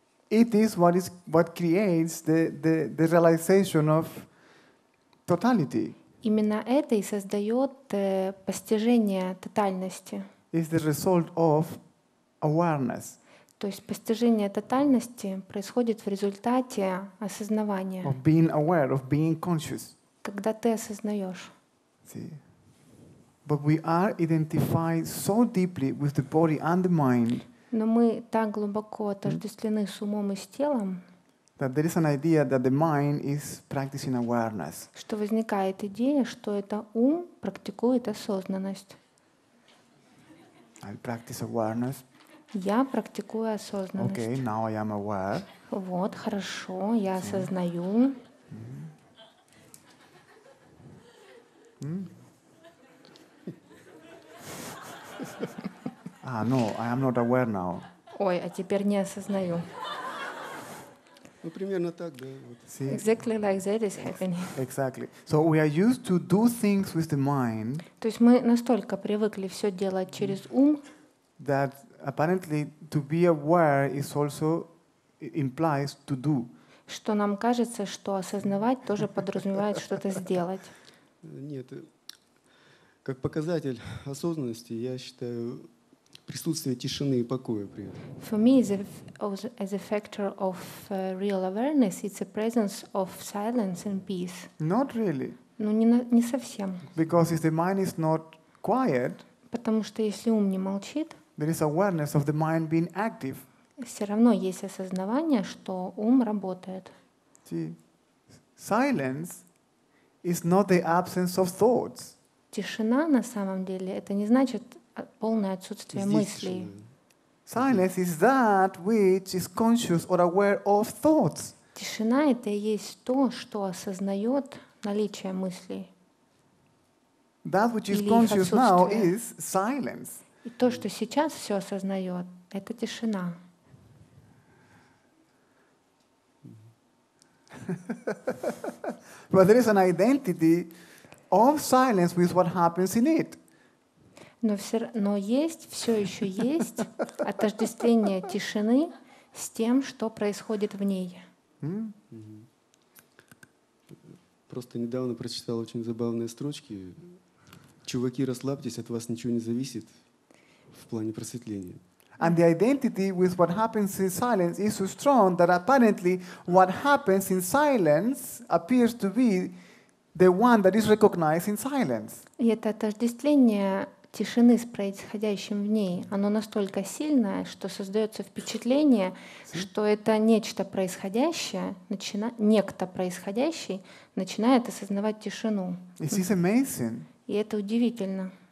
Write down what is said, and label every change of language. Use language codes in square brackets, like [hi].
[en] It is what is what creates the realization of totality. [ru] Именно это и создает постижение тотальности. [en] It's the result of awareness. [ru] То есть постижение тотальности происходит в результате осознавания. [en] Of being aware, of being conscious. [ru] Когда ты осознаешь. [en] See? But we are identified so deeply with the body and the mind. [ru] Но мы так глубоко отождествлены с умом и с телом, [en] that there is an idea that the mind is practicing awareness. [ru] Что возникает идея, что это ум практикует осознанность. [en] I practice awareness. [ru] Я практикую осознанность. [en] Okay, now I am aware. [ru] Вот, хорошо, я осознаю. [en] Ah, no, I am not aware now. [ru] Ой, а теперь не осознаю. Ну, примерно так, да. [en] See? Exactly like that is happening. Exactly. So we are used to do things with the mind. [ru] То есть мы настолько привыкли все делать через ум. [en] That apparently to be aware is also implies to do. [ru] что нам кажется, что осознавать тоже подразумевает что-то сделать. Нет, как показатель осознанности, я считаю, присутствие тишины и покоя при этом. [en] For me, as a factor of real awareness, it's a presence of silence and peace. Not really. [ru] Ну, не совсем. [en] Because if the mind is not quiet, [ru] потому что если ум не молчит, [en] there is awareness of the mind being active. [ru] Все равно есть осознавание, что ум работает. [en] See, silence is not the absence of thoughts. [ru] Тишина на самом деле это не значит полное отсутствие мыслей. [en] Silence is that which is conscious or aware of thoughts. [ru] Тишина это и есть то, что осознает наличие мыслей. [en] That which is conscious now is silence. [ru] И то, что сейчас все осознает, это тишина. [en] But there is an identity of silence with what happens in it. [ru] Но есть, все еще есть отождествление тишины с тем, что происходит в ней. Просто недавно прочитал очень забавные строчки. Чуваки, расслабьтесь, от вас ничего не зависит в плане просветления. [en] And the identity with what happens in silence is so strong that apparently what happens in silence appears to be the one that is recognized in silence. [ru] И это отождествление тишины с происходящим в ней, оно настолько сильное, что создается впечатление, что это нечто происходящее, некто происходящий начинает осознавать тишину. [en] This is amazing. [ru] И это удивительно.